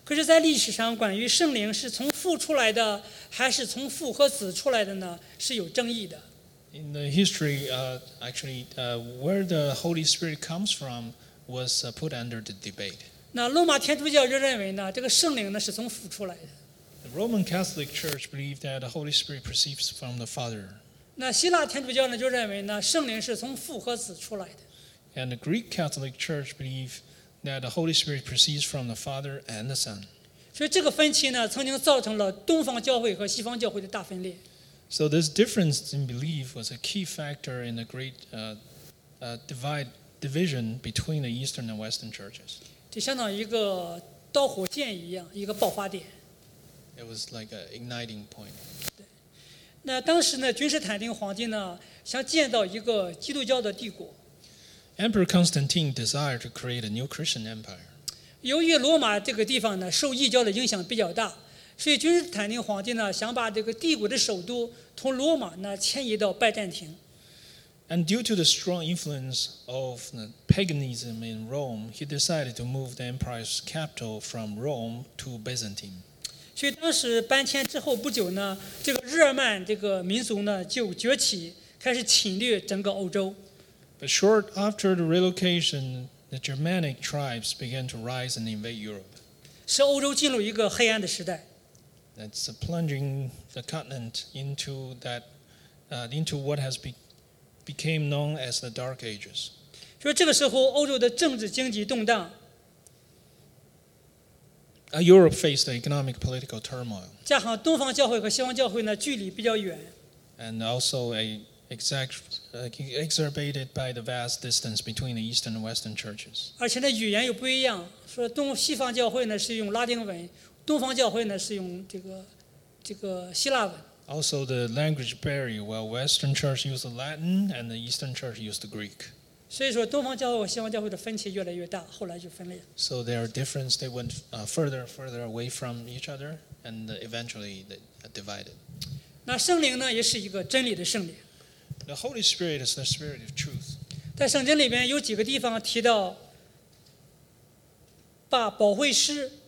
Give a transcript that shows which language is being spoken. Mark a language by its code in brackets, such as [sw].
[zh] 可是在历史上，关于圣灵是从父出来的，还是从父和子出来的呢？是有争议的。 [en] In the history, where the Holy Spirit comes from was put under the debate. [zh] 那罗马天主教就认为呢，这个圣灵呢是从父出来的。 [en] The Roman Catholic Church believed that the Holy Spirit proceeds from the Father. [zh] 那希腊天主教呢就认为呢，圣灵是从父和子出来的。 [en] And the Greek Catholic Church believed that the Holy Spirit proceeds from the Father and the Son. [zh] 所以这个分歧呢，曾经造成了东方教会和西方教会的大分裂。 [en] So this difference in belief was a key factor in the great division between the Eastern and Western churches. [zh] 就相当于一个导火线一样，一个爆发点。 [en] It was like an igniting point. [zh] 对，那当时呢，君士坦丁皇帝呢，想建造一个基督教的帝国。 [en] Emperor Constantine desired to create a new Christian empire. [zh] 由于罗马这个地方呢，受异教的影响比较大。所以君士坦丁皇帝呢，想把这个帝国的首都从罗马呢迁移到拜占庭。 [en] And due to the strong influence of the paganism in Rome, he decided to move the empire's capital from Rome to Byzantine. [zh] 所以当时搬迁之后不久呢，这个日耳曼这个民族呢就崛起，开始侵略整个欧洲。 [en] But short after the relocation, the Germanic tribes began to rise and invade Europe. [zh] 使欧洲进入一个黑暗的时代。 [en] It's plunging the continent into that, into what has became known as the Dark Ages. [zh] 说这个时候，欧洲的政治经济动荡。 [en] Europe faced an economic political turmoil. [zh] 加上东方教会和西方教会呢，距离比较远。 [en] And also exacerbated by the vast distance between the Eastern and Western churches. [zh] 而且呢，语言又不一样。说西方教会呢是用拉丁文。东方教会呢是用这个希腊文。 [en] Also, the language barrier. While Western Church used Latin, and the Eastern Church used Greek. [zh] 所以说，东方教会和西方教会的分歧越来越大，后来就分裂。 [en] So their difference, they went further away from each other, and eventually they divided. [zh] 那圣灵呢，也是一个真理的圣灵。 [en] The Holy Spirit is the Spirit of Truth. [zh] 在圣经里面有几个地方提到，把保惠师。